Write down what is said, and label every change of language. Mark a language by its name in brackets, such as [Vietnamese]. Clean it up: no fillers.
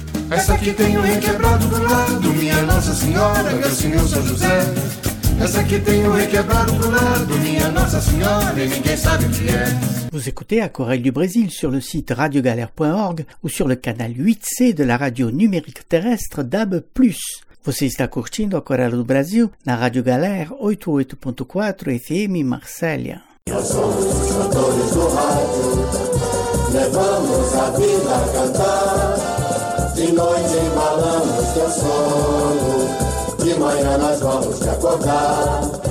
[Portuguese] Essa que tenho requebrado pro lado, minha Nossa Senhora, meu Senhor São José. Essa que tenho requebrado pro lado, minha Nossa Senhora, e ninguém sabe o que é. [French] Vous écoutez Aquarelle du Brésil sur le site radiogalère.org ou sur le canal 8C de la radio numérique terrestre DAB+. [Portuguese] Você está curtindo a Corela do Brasil na Rádio Galera 88.4 FM Marcélia. Nós somos os cantores do rádio, levamos a vida a cantar. De noite embalamos teu sono, de manhã nós vamos te acordar.